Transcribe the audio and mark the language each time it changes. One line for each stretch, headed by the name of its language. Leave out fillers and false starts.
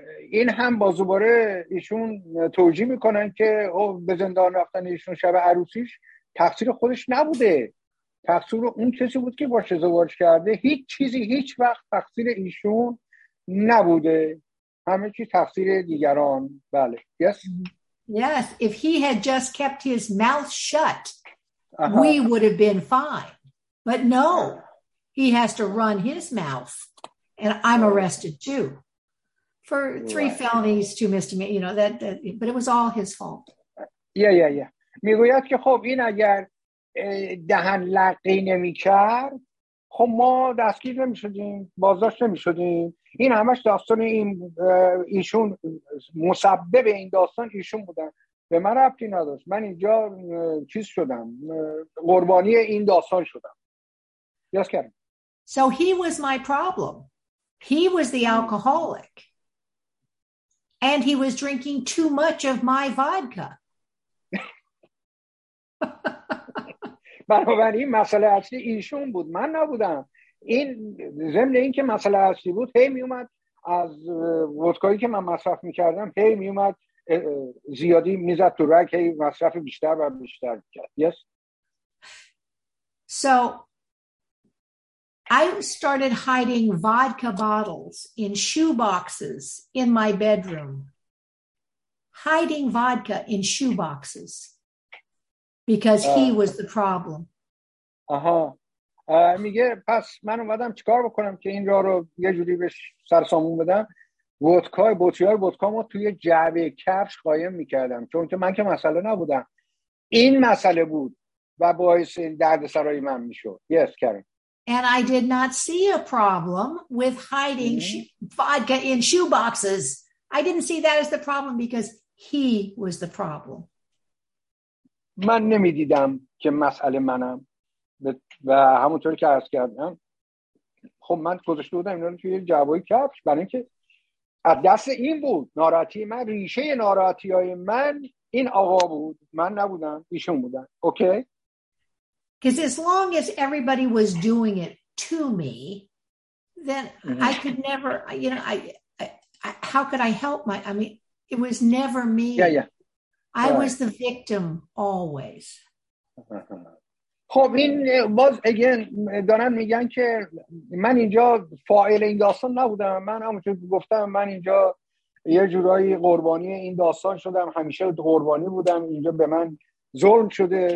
Persian: این هم باز دوباره ایشون توجیه میکنن که به زندان رفتن ایشون شب عروسیش تقصیر خودش نبوده. تقصیر اون کسی بود که باش ازدواج کرده. هیچ چیزی هیچ وقت تقصیر ایشون نبوده. همه چی تقصیر دیگران. بله.
English: Yes. Yes. If he had just kept his mouth shut, we would have been fine. But no, he has to run his mouth, and I'm arrested too for 3 felonies, 2 misdemeanors. You know that. But it was all his fault. Yeah.
Persian: میگوید که خب این اگر دهن لقی نمی‌کرد، خب ما دستگیر نمی‌شدیم، بازداشت نمی‌شدیم. این همش داستان این ایشون مسبب این داستان ایشون بودن. به من ربطی نداشت. من اینجا چیز شدم، قربانی این داستان شدم. یاس کردم.
English: So he was my problem. He was the alcoholic. And he was drinking too much of my vodka.
Persian: بنابراین مسئله اصلی ایشون بود، من نبودم. این ضمن این که مسئله اصلی بود، هی می اومد از ودکایی که من مصرف میکردم، هی می اومد زیادی میزد تو رگ، هی مصرف بیشتر و بیشتر کرد.
English: Yes. So I started hiding vodka bottles in shoe boxes in my bedroom. Hiding vodka in shoe boxes because he was the problem.
Persian: آها. میگه پس من اومدم چیکار بکنم که این را رو یه جوری بهش سرسامون بدم. ودکای بوتیار ودکامو توی جعبه کفش قایم میکردم، چون که من که مسئله نبودم، این مسئله بود و باعث این درد سرای من میشد.
English: Yes, Karen. And I did not see a problem with hiding vodka in shoe boxes. I didn't see that as the problem because he was the problem.
Persian: من نمیدیدم که مسئله منم و همونطوری که عرض کردم، خب من گذاشته بودم اینا رو توی جعبه‌ی کفش برای اینکه از دست این بود ناراحتی من، ریشه ناراحتی‌های من این آقا بود، من نبودم، ایشون بودن. اوکی.
English: Cuz as long as everybody was doing it to me, then I could never, you know, how could I help my, I mean, it was never me. Yeah, yeah. I was the victim always.
Persian: خب این باز اگین دارن میگن که من اینجا فاعل این داستان نبودم. من همونطور که گفتم من اینجا یه جورایی قربانی این داستان شدم. همیشه قربانی بودم. اینجا به من ظلم شده.